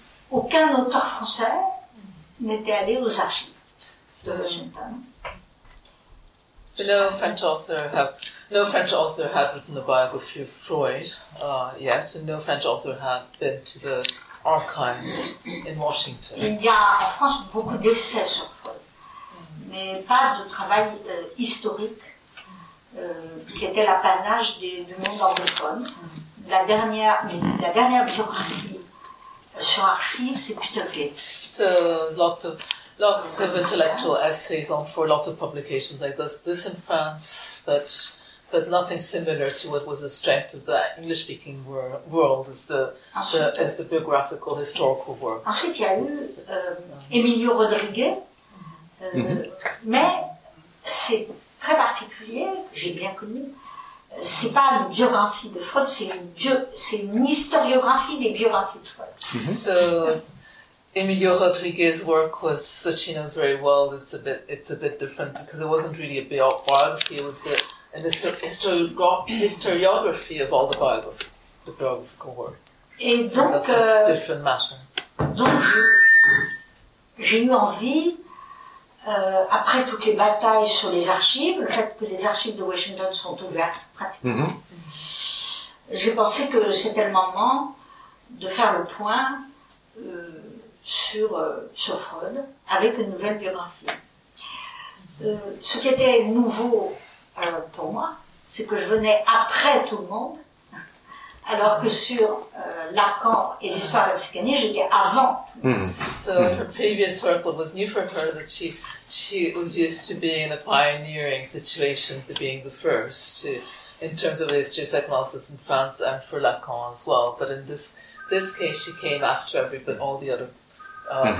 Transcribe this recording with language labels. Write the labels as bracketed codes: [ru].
[fr] Aucun auteur français n'était allé aux archives de Washington. [en] So no French author had written a biography of Freud yet, and no French author had been to the archives in Washington. [fr] Il y a en France beaucoup d'essais sur Freud, mais pas de travail historique qui était l'apanage du monde anglophone. La dernière biographie sur archives, c'est Peter Gay. [en] So lots of intellectual essays on for lots of publications like this in France, but nothing similar to what was the strength of the English speaking world is the biographical historical work. [fr] Ensuite, il y a eu Emilio Rodriguez, mm-hmm. mais c'est très particulier. J'ai bien connu. C'est pas une biographie de Freud. C'est une historiographie des biographies de Freud. Mm-hmm. So. [en] Emilio Rodriguez's work was, that she knows very well, it's a bit different because it wasn't really a biography, it was historiography of all the biographical work. [fr] Et donc, [en] so that's a different matter. [fr] Donc, j'ai eu envie, après toutes les batailles sur les archives, le fait que les archives de Washington sont ouvertes, pratiquement, mm-hmm. j'ai pensé que c'était le moment de faire le point sur Freud, avec une nouvelle biographie. Ce qui était nouveau pour moi, c'est que je venais après tout le monde, alors que sur Lacan et l'histoire de la psychanalyse, j'étais avant. Mm-hmm. [en] So her previous work was new for her, that she was used to being in a pioneering situation, to being the first, in terms of the history of psychoanalysis in France and for Lacan as well. But in this case, she came after everybody, all the other mm-hmm.